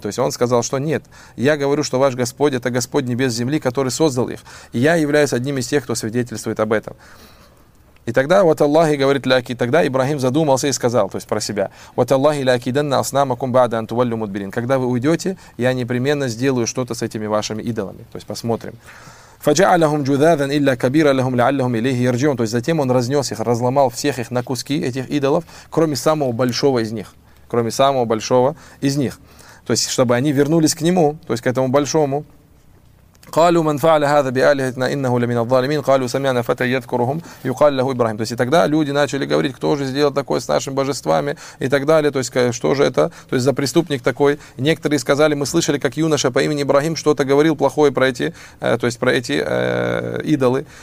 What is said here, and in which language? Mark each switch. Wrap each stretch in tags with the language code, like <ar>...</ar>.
<ru>То есть он сказал, что нет, я говорю, что ваш Господь — это Господь небес земли, который создал их, и я являюсь одним из тех, кто свидетельствует об этом. И тогда вот Аллах и говорит ляки, тогда Ибрахим задумался и сказал, то есть про себя: вот Аллах</ru> <ar>ляки данна аснамакум бада антуваллю мудбирин.</ar> <ru>Когда вы уйдете, я непременно сделаю что-то с этими вашими идолами. То есть посмотрим.</ru> <ar>فجعلهم جذاذا الا كبيرا لهم لعلهم اليه يرجعون.</ar> <ru>То есть затем он разнес их, разломал всех их на куски, этих идолов, кроме самого большого из них. Кроме самого большого из них. То есть чтобы они вернулись к нему, то есть к этому большому.</ru> <ar>قالوا من فعل هذا بآلهتنا إنه لمن الظالمين. قالوا سمعنا فتى يذكرهم يقال له إبراهيم.</ar> <ru>То есть и тогда люди начали говорить, кто же сделал такое с нашими божествами и так далее. То есть что же это, то есть за преступник такой. И некоторые сказали: мы слышали, как юноша по имени Ибрахим что-то говорил плохое про эти, то есть про эти идолы.</ru>